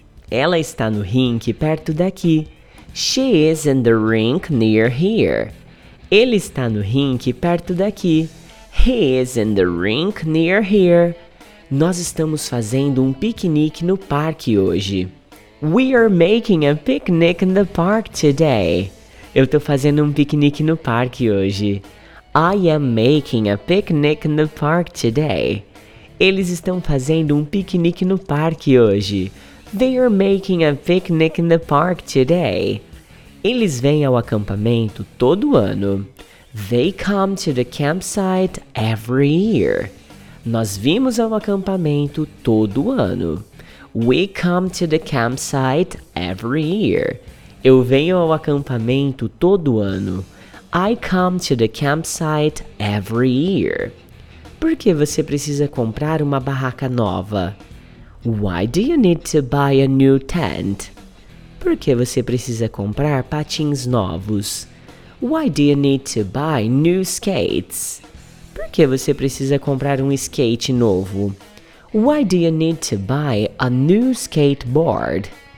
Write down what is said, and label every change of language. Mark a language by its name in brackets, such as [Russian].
[Portuguese] Ela está no rink perto daqui. [English] She is in the rink near here. [Portuguese] Ele está no rink perto daqui. [English] He is in the rink near here. [Portuguese] Nós estamos fazendo um piquenique no parque hoje. [English] We are making a picnic in the park today. [Portuguese] Eu estou fazendo um piquenique no parque hoje. [English] I am making a picnic in the park today. [Portuguese] Eles estão fazendo um piquenique no parque hoje. [English] They are making a picnic in the park today. [Portuguese] Eles vêm ao acampamento todo ano. [English] They come to the campsite every year. [Portuguese] Nós vimos ao acampamento todo ano. [English] We come to the campsite every year. [Portuguese] Eu venho ao acampamento todo ano. [English] I come to the campsite every year. [Portuguese] Por que você precisa comprar uma barraca nova? [English] Why do you need to buy a new tent? [Portuguese] Por que você precisa comprar patins novos? [English] Why do you need to buy new skates? [Portuguese] Por que você precisa comprar um skate novo? [English] Why do you need to buy a new skateboard?